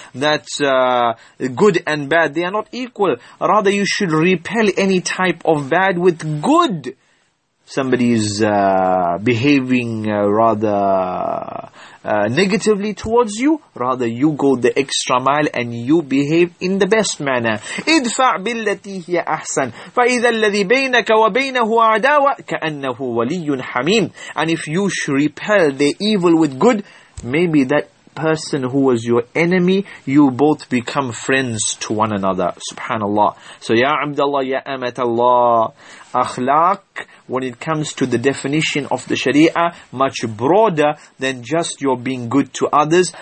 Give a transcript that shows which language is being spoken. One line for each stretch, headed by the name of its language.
English: That good and bad, they are not equal. Rather, you should repel any type of bad with good. Somebody is behaving rather negatively towards you, rather you go the extra mile and you behave in the best manner.
Arabic: ادفع بالتي هي أحسن فإذا الذي بينك وبينه عداوة كأنه ولي حميم.
English: And if you should repel the evil with good, maybe that person who was your enemy, you both become friends to one another. Subhanallah. So ya Abdullah, ya Amatullah, akhlaq, when it comes to the definition of the sharia, much broader than just your being good to others.